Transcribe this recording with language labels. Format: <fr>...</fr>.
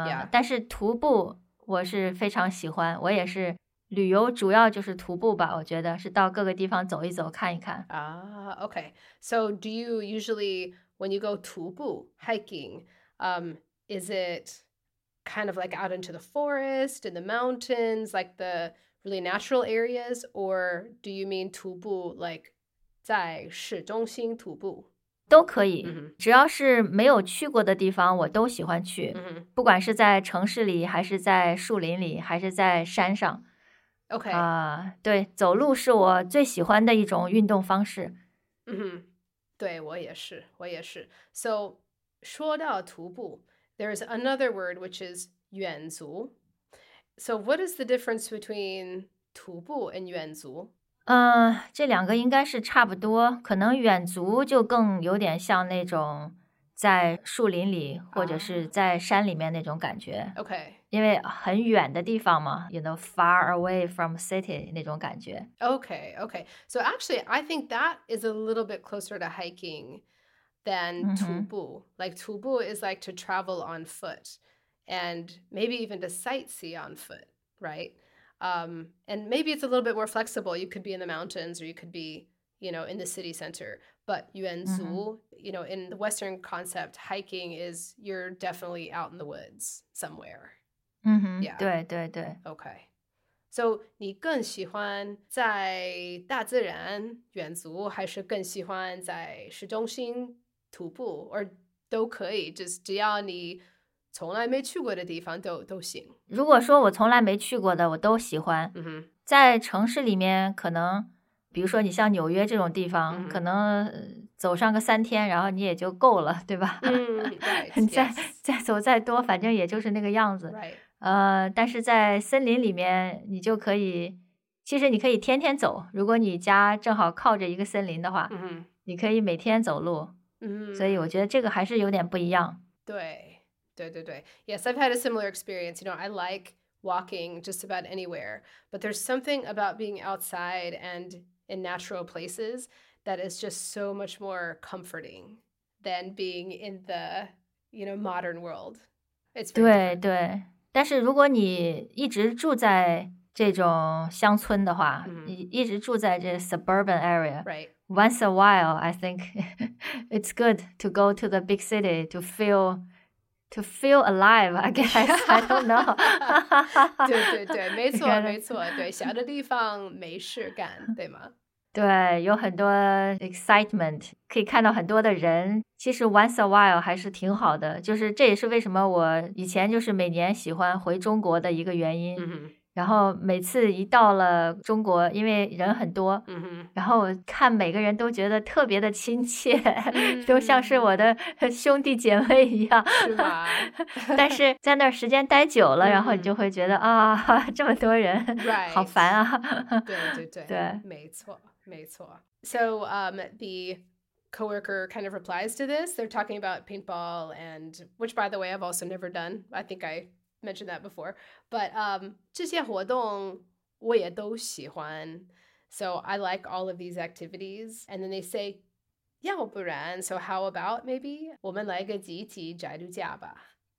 <zh>但是徒步我是非常喜欢我也是旅游主要就是徒步吧我觉得是到各个地方走一走看一看。</zh> <en>Okay. So do you usually, when you go 徒步 hiking, is it kind of like out into the forest, in the mountains, like the really natural areas, or do you mean 徒步 like</en> <zh>在市中心徒步都可以只要是没有去过的地方我都喜欢去不管是在城市里还是在树林里还是在山上</zh> <en>OK</en> <zh>对走路是我最喜欢的一种运动方式对我也是</zh> <en>So</en> <zh>说到徒步</zh> <en>There is another word which is 远足 So what is the difference between 徒步 and 远足</en> <zh>这两个应该是差不多可能远足就更有点像那种在树林里或者是在山里面那种感觉。</zh> <en>OK.</en> <zh>因为很远的地方嘛</zh> <en>you know, far away from city</en> <zh>那种感觉。</zh> <en>OK, OK. So actually, I think that is a little bit closer to hiking than 徒步。 Mm-hmm. Like 徒步 is like to travel on foot and maybe even to sightsee on foot, right? And maybe it's a little bit more flexible. You could be in the mountains or you could be, you know, in the city center. But 远足, you know, in the Western concept, hiking is you're definitely out in the woods somewhere. Mm-hmm. Yeah.</en> <zh>对对对。</zh> <en>Okay.</en> <zh>So 你更喜欢在大自然远足还是更喜欢在市中心徒步 or 都可以就只要你从来没去过的地方都行。如果说我从来没去过的我都喜欢。 Mm-hmm. 在城市里面可能比如说你像纽约这种地方、mm-hmm. 可能走上个三天然后你也就够了对吧、</zh> <en>mm-hmm. right.</en> <zh>再、</zh> <en>yes.</en> <zh>再走再多反正也就是那个样子。</zh> <en>Right.</en> <zh>但是在森林里面你就可以其实你可以天天走如果你家正好靠着一个森林的话、 mm-hmm. 你可以每天走路。 Mm-hmm. 所以我觉得这个还是有点不一样。对。对对对</zh> <en>Yes, I've had a similar experience. You know, I like walking just about anywhere. But there's something about being outside and in natural places that is just so much more comforting than being in the, you know, modern world. It's very</en> <zh>对对，但是如果你一直住在这种乡村的话，你一直住在这</zh> <en>suburban area. Right. Once a while, I think it's good to go to the big city to feel. To feel alive, I guess. I don't know.</en> <zh>对对对，没错没错，对，小的地方没事干，对吗？对，有很多 excitement, 可以看到很多的人。其实</zh> <en>once a while</en> <zh>还是挺好的，就是这也是为什么我以前就是每年喜欢回中国的一个原因。 Mm-hmm. 然后每次一到了中国，因为人很多，然后看每个人都觉得特别的亲切，都像是我的兄弟姐妹一样，是吧？但是在那儿时间待久了，然后你就会觉得啊，这么多人，好烦啊！对对对对，没错没错。</zh> <en>So, the coworker kind of replies to this. They're talking about paintball, and which, by the way, I've also never done. I think I mentioned that before. But,</en> <zh>这些活动我也都喜欢。</zh> <en>So I like all of these activities. And then they say,</en> <zh>要不然,</zh> <en>so how about maybe</en> <zh>我们来个集体宅度假吧。</zh>